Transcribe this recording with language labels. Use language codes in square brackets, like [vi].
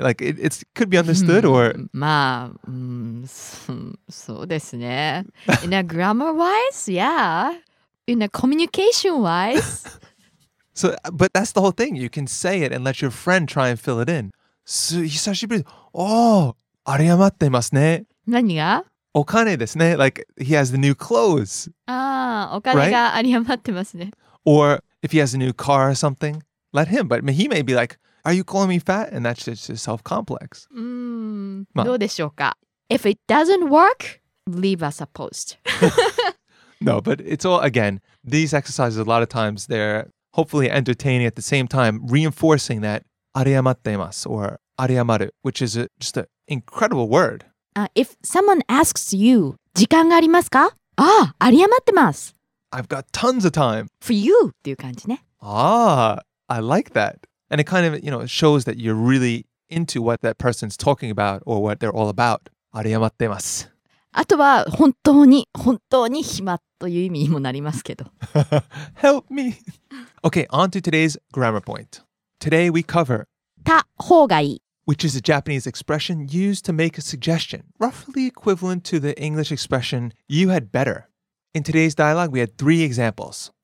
[en] Like, it could be understood or... [ja] まあ、そうですね。 [en] In a grammar-wise, yeah. In a communication-wise. So, but that's the whole thing. You can say it and let your friend try and fill it in. [ja] 久しぶり。 Oh, 有り余ってますね。何が? お金ですね。 [en] Like, he has the new clothes. [ja] ああ、お金が有り余ってますね。 [en] Or, if he has a new car or something, let him. But he may be like, are you calling me fat? And that's just a self-complex. [ja] まあ、どうでしょうか? [en] If it doesn't work, leave us a post. No, but it's all, again, these exercises, a lot of times, they're hopefully entertaining at the same time, reinforcing that [ja] 有り余ってます [en] or 有り余る, which is just an incredible word. If someone asks you, [ja] 時間がありますか? Ah, 有り余ってます。 [en] I've got tons of time. For you, [ja] っていう感じね。 [en] Ah, I like that. And it kind of, you know, shows that you're really into what that person's talking about or what they're all about. [ja] 有り余ってます。あとは、本当に、本当に暇という意味もなりますけど。 [en] Help me. Okay, on to today's grammar point. Today we cover... [ja] た方がいい。 [en] Which is a Japanese expression used to make a suggestion, roughly equivalent to the English expression, you had better. In today's dialogue, we had three examples.